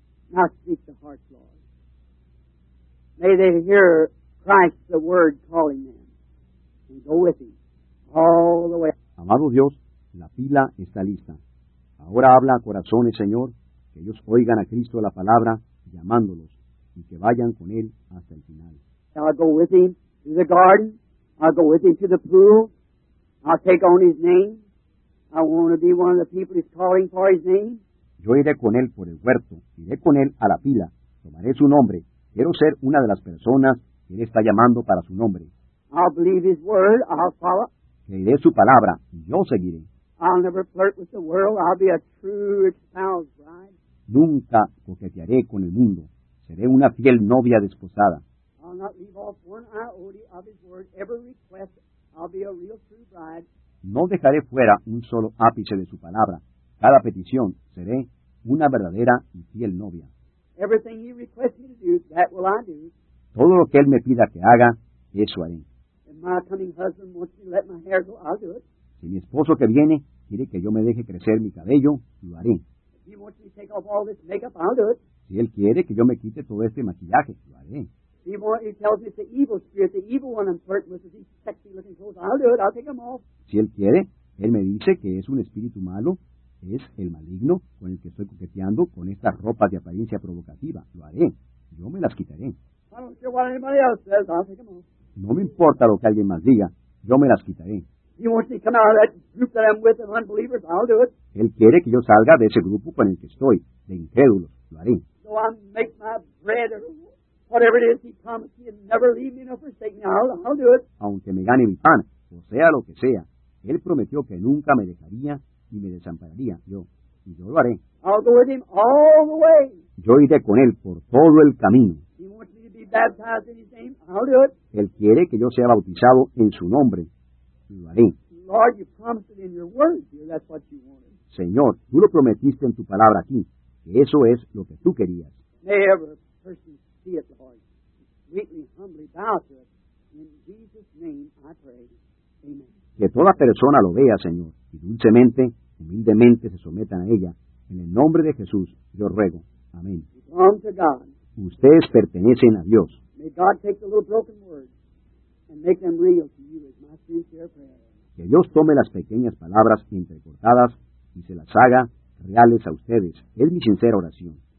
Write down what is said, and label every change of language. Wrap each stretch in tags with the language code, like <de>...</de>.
<en>Now speak the heart, Lord. May they hear Christ, the Word, calling them. And go with Him all the way.</en> <es>Amado Dios, la pila está lista. Ahora habla a corazones, Señor, que ellos oigan a Cristo la palabra, llamándolos, y que vayan con Él hasta el final.</es> <en>I'll go with Him to the garden. I'll go with Him to the pool. I'll take on His name. I want to be one of the people He's calling for His name.</en> <es>Yo iré con Él por el huerto. Iré con Él a la pila. Tomaré su nombre. Quiero ser una de las personas que Él está llamando para su nombre.</es> <en>I'll believe His word. I'll follow.</en> <es>Creeré su palabra. Y yo seguiré.</es> <en>I'll never flirt with the world. I'll be a true spouse bride.</en> <es>Nunca coquetearé con el mundo. Seré una fiel novia desposada.</es> <en>I'll not leave off one iota of His word. Every request, I'll be a real true bride.</en> <es>No dejaré fuera un solo ápice de su palabra. Cada petición, seré una verdadera y fiel novia.</es> <en>Everything He requests me to do, that will I do.</en> <es>Todo lo que Él me pida que haga, eso haré.</es> <en>If my coming husband wants me to let my hair go, I'll do it.</en> <es>Si mi esposo que viene quiere que yo me deje crecer mi cabello, lo haré.</es> <en>If he wants me to take off all this makeup, I'll do it.</en> <es>Si él quiere que yo me quite todo este maquillaje, lo haré.</es> <en>He tells me it's the evil spirit, the evil one I'm flirting with, these sexy looking clothes. I'll do it, I'll take them off.</en> <es>Si él quiere, él me dice que es un espíritu malo, es el maligno con el que estoy coqueteando con estas ropas de apariencia provocativa. Lo haré, yo me las quitaré.</es> <en>I don't care what anybody else says, I'll take them off.</en> <es>No me importa lo que alguien más diga, yo me las quitaré.</es> <en>He wants me to come out of that group that I'm with of unbelievers. I'll do it.</en> <es>Él quiere que yo salga de ese grupo con el que estoy, de incrédulos. Lo haré.</es> <en>So I'll make my bread or whatever it is He promised me and never leave me nor forsake me. I'll do it.</en> <es>Aunque me gane mi pan, o sea lo que sea, Él prometió que nunca me dejaría y me desampararía. Yo lo haré.</es> <en>I'll go with Him all the way.</en> <es>Yo iré con Él por todo el camino.</es> <en>He wants me to be baptized in His name. I'll do it.</en> <es>Él quiere que yo sea bautizado en su nombre.</es> <en>Lord, you promised it in your word, dear. That's what you wanted.</en> <es>Señor, tú lo prometiste en tu palabra aquí, que eso es lo que tú querías.</es> <en>May every person see it, Lord. Sweetly, humbly bow to it. In Jesus' name I pray. Amen.</en> <es>Que toda persona lo vea, Señor, y dulcemente, humildemente se sometan a ella. En el nombre de Jesús, yo ruego. Amén.</es> <en>Belong to God.</en> <es>Ustedes pertenecen a Dios.</es> <en>May God take the little broken words and make them real to you.</en> <es>Que Dios tome las pequeñas palabras entrecortadas y se las haga reales a ustedes. Es mi sincera oración.</es>